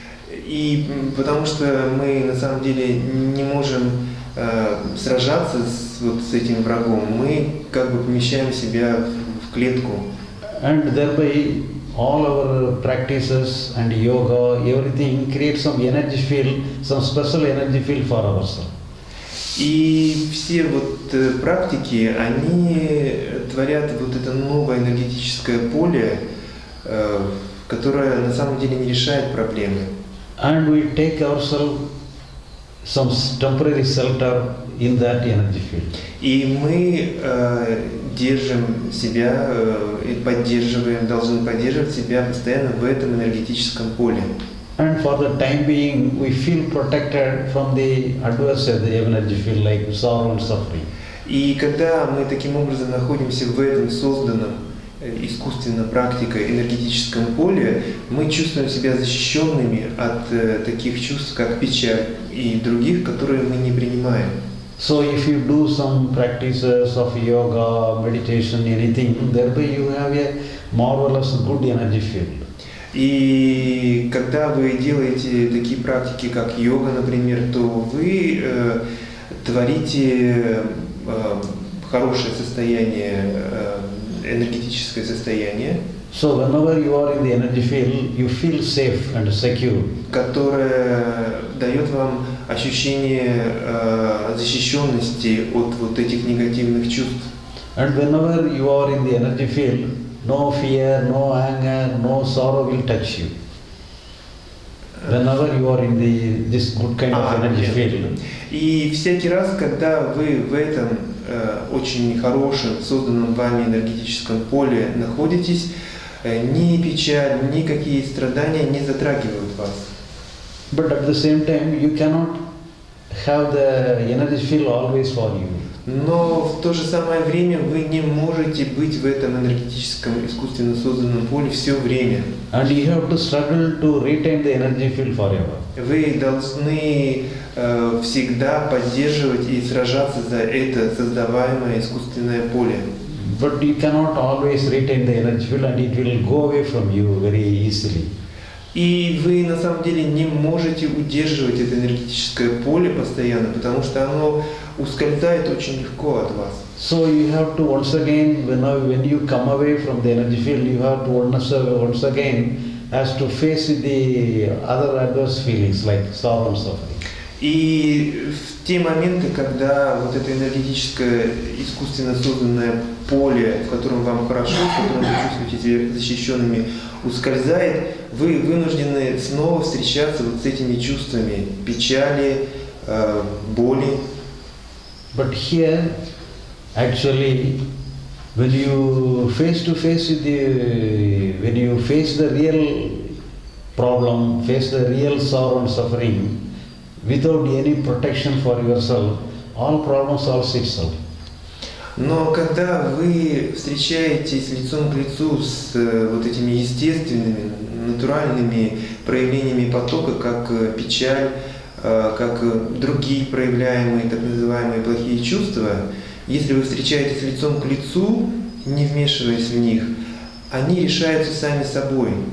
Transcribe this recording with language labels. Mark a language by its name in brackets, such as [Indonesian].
[Russian] И потому что мы на самом деле не можем сражаться вот с этим врагом, мы как бы помещаем себя в клетку. [English] And thereby all our practices and yoga, everything creates some energy field, some special energy field for ourselves. [Russian] И все вот практики, они творят вот это новое энергетическое поле, которое на самом деле не решает проблемы. [English] And we take ourselves some temporary shelter in that energy field. [Russian] И мы держим себя и поддерживаем, должны поддерживать себя постоянно в этом энергетическом поле. [English] And for the time being, we feel protected from the adversary, the energy field, like sorrow and suffering. [Russian] И когда мы таким образом находимся в этом созданном искусственно практикой энергетическом поле, мы чувствуем себя защищенными от таких чувств, как печаль и других, которые мы не принимаем. [English] So if you do some practices of yoga, meditation, anything, thereby you have a marvelous good energy field. [Russian] И когда вы делаете такие практики, как йога, например, то вы творите хорошее состояние, энергетическое состояние. [English] So whenever you are in the energy field, you feel safe and secure. [Russian] Которое дает дает вам ощущение защищенности от вот этих негативных чувств. [English] And whenever you are in the energy field, no fear, no anger, no sorrow will touch you. Whenever you are in the this good kind of energy field. [Russian] И всякий раз, когда вы в этом очень хорошем, созданном вами энергетическом поле находитесь, ни печаль, никакие страдания не затрагивают вас. [English] But at the same time, you cannot have the energy field always for you. [Russian] Но в то же самое время вы не можете быть в этом энергетическом, искусственно созданном поле все время. [English] And you have to struggle to retain the energy field forever. [Russian] Вы должны всегда поддерживать и сражаться за это создаваемое искусственное поле. [English] But you cannot always retain the energy field and it will go away from you very easily. [Russian] И вы на самом деле не можете удерживать это энергетическое поле постоянно, потому что оно ускользает очень легко от вас. [English] So you have to once again, when you come away from the energy field, you have to once again has to face the other adverse feelings like sorrow and suffering. [Russian] И в те моменты, когда вот это энергетическое искусственно созданное поле, в котором вам хорошо, в котором вы чувствуете себя защищенными, ускользает, вы вынуждены снова встречаться вот с этими чувствами печали, боли. [English] But here, actually, when you face to face with the, when you face the real problem, face the real sorrow and suffering, without any protection for yourself, all problems solve itself. [Russian] Но когда вы встречаетесь лицом к лицу с вот этими естественными, натуральными проявлениями потока, как печаль, как другие проявляемые, так называемые, плохие чувства, если вы встречаетесь лицом к лицу, не вмешиваясь в них, они решаются сами собой.